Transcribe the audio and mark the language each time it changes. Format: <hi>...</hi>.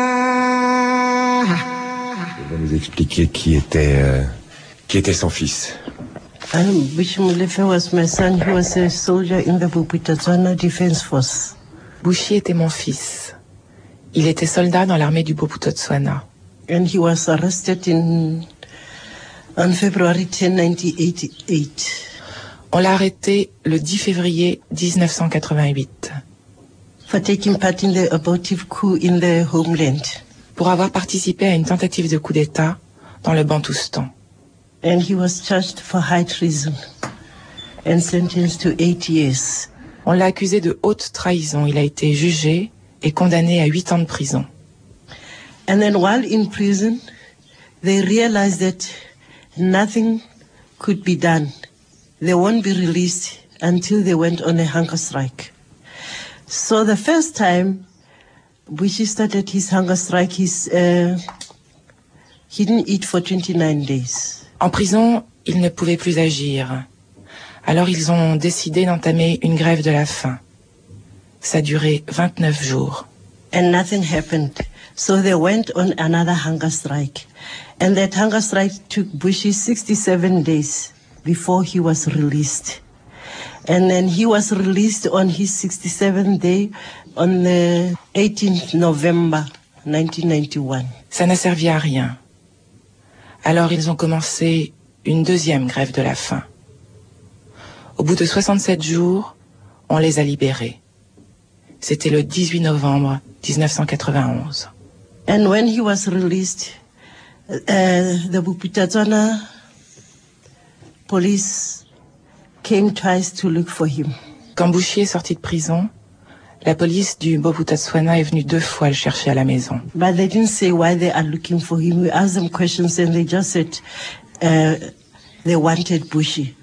<fr>Il va nous expliquer qui était son fils.</fr> <en>Bushim Lefe was my son. He was a soldier in the Bobuta Tswana Defense Force.</en> <fr>Bushi était mon fils. Il était soldat dans l'armée du Bobuta Tswana.</fr> <en>And he was arrested on February 10, 1988.</en> <fr>On l'a arrêté le 10 février 1988.</fr> <en>For taking part in the abortive coup in the homeland.</en> <fr>Pour avoir participé à une tentative de coup d'État dans le Bantoustan.</fr> <en>And he was charged for high treason and sentenced to 8 years.</en> <fr>On l'a accusé de haute trahison. Il a été jugé et condamné à 8 ans de prison.</fr> <en>And then while in prison, they realized that nothing could be done. They won't be released until they went on a hunger strike. So the first time Bushi started his hunger strike, he didn't eat for 29 days.</en> <fr>En prison, il ne pouvait plus agir. Alors ils ont décidé d'entamer une grève de la faim. Ça a duré 29 jours.</fr> <en>And nothing happened. So they went on another hunger strike. And that hunger strike took Bushi 67 days before he was released. And then he was released on his 67th day on the 18th November 1991.</en> <fr>Ça n'a servi à rien. Alors ils ont commencé une deuxième grève de la faim. Au bout de 67 jours, on les a libérés. C'était le 18 novembre 1991.</fr> <en>And when he was released, the Bobuta Tswana police came twice to look for him.</en> <fr>Quand Bushi est sorti de prison, la police du Bobuta Tswana est venue 2 fois le chercher à la maison.</fr> <en>But they didn't say why they are looking for him. We asked them questions and they just said they wanted Bushi.</en>